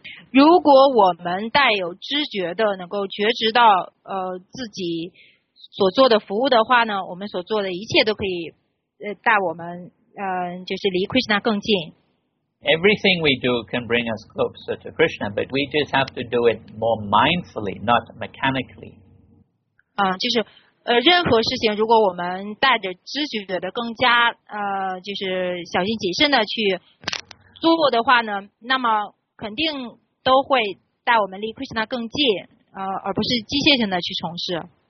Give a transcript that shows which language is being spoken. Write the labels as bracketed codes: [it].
[zh] 如果我们带有知觉的，能够觉知到自己所做的服务的话呢，我们所做的一切都可以带我们就是离 Krishna 更近。 [en] Everything we do can bring us closer to Krishna, but we just have to do it more mindfully, not mechanically. [zh] 就是任何事情，如果我们带着知觉的更加就是小心谨慎的去做的话呢，那么肯定都会带我们离 Krishna 更近，而不是机械性的去从事。